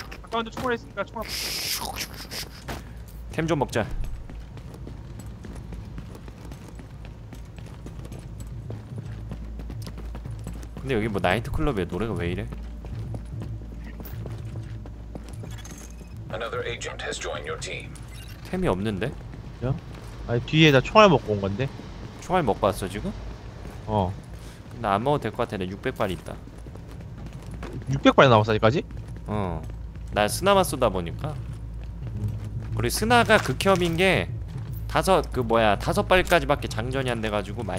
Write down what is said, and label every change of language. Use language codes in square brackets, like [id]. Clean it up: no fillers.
[ko] 가운데 총알 있으니까 총알. 템 좀 먹자. 근데 여기 뭐 나이트클럽에 노래가 왜 이래? [en] Another agent has joined your team. [ko] 템이 없는데? 야? 아니 뒤에다 총알 먹고 온 건데. 총알 먹고 왔어 지금? 어. 근데 안 먹어도 될 것 같아. 내 600발이 있다. 600발이 남았어 아직까지? 어. 나 스나만 쏟아 보니까. 그리고 스나가 극혐인 게 다섯 그 뭐야 다섯 발까지밖에 장전이 안 돼가지고 많이.